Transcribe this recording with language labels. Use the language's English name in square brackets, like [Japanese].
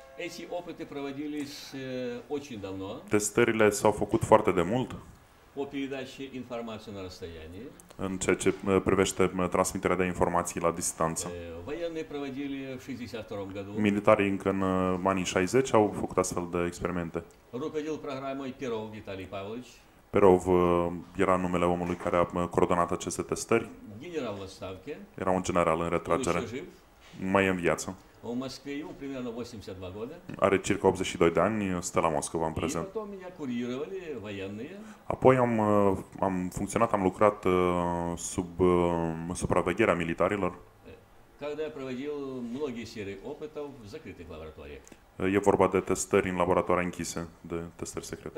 [Russian] Эти опыты проводились очень давно. [Romanian] Тестерили s-au făcut foarte de mult. [Russian] По передаче информации на расстоянии. [Romanian] În ceea ce privește transmiterea de informații la distanță. [Russian] Военные проводили в 62-м году. [Romanian] Militarii încă în anii 60 au făcut astfel de experimente. [Russian] Руководил программой Перов Виталий Павлович. [Romanian] Перов era numele omului care a coordonat aceste testări. [Russian] General в отставке. [Romanian] Era un general în retragere. Mai în viață. [Russian] В Москве ему примерно 82 года. [Romanian] Are circa 82 de ani, stă la Moscova în prezent. [Russian] И потом меня курировали военные. [Romanian] Apoi am funcționat, am lucrat sub supravegherea militarilor. [Russian] Когда я проводил многие серии опытов в закрытых лабораториях. [Romanian] E vorba de testări în laboratoare închise, de testări secrete.